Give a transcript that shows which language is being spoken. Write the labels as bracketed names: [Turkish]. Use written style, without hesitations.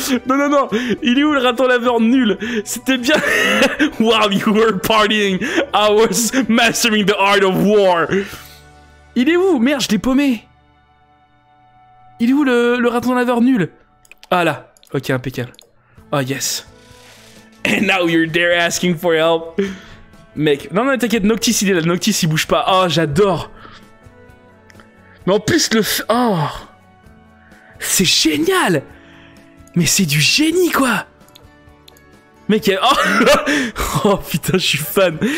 [French] Non, il est où le raton laveur nul? C'était bien. [English] While you were partying, I was mastering the art of war! [French] Il est où? Merde, je l'ai paumé! Il est où le raton laveur nul? Ah là, ok, impeccable. [English] Oh yes. And now you're there asking for help. [French] Mec, non, t'inquiète, Noctis il est là, Noctis il bouge pas. Oh, j'adore. Mais en plus, oh, c'est génial. Mais c'est du génie, quoi. Mec, oh putain, je suis fan.